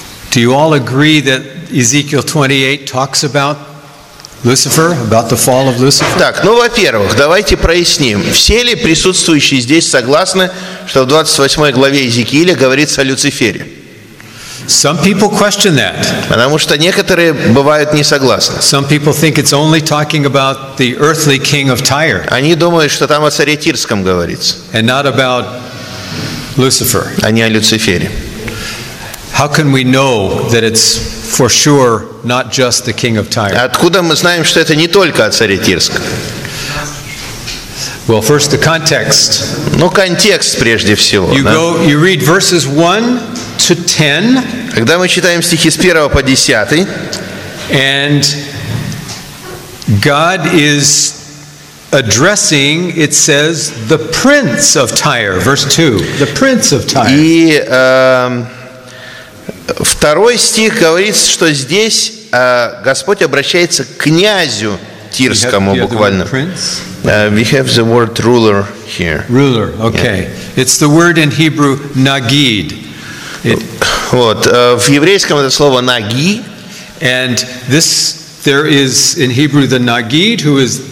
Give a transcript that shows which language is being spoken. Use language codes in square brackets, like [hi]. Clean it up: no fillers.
[en] Do you all agree that Ezekiel 28 talks about Lucifer, about the fall of Lucifer? [ru] Так, ну, во-первых, давайте проясним, все ли присутствующие здесь согласны, что в 28 главе Иезекииля говорится о Люцифере? [en] Some people question that. [ru] Потому что некоторые бывают не согласны. [en] Some people think it's only talking about the earthly king of Tyre. [ru] Они думают, что там о царе Тирском говорится. [en] And not about Lucifer. [ru] А не о Люцифере. [en] How can we know that it's for sure not just the king of Tyre? [ru] Откуда мы знаем, что это не только о царе Тирском? [en] Well, first the context. [ru] Ну, контекст прежде всего. [en] You [ru] да? [en] go, you read verses 1 to 10. [ru] Когда мы читаем стихи с 1 по 10, [en] and God is addressing, it says, the prince of Tyre, verse 2, the prince of Tyre. [ru] И второй стих говорит, что здесь Господь обращается к князю Тирскому буквально. [en] We have the word ruler here. Ruler, okay. Yeah. It's the word in Hebrew nagid. [ru] Вот, в еврейском это слово наги. [en] And this, there is in Hebrew the nagid, who is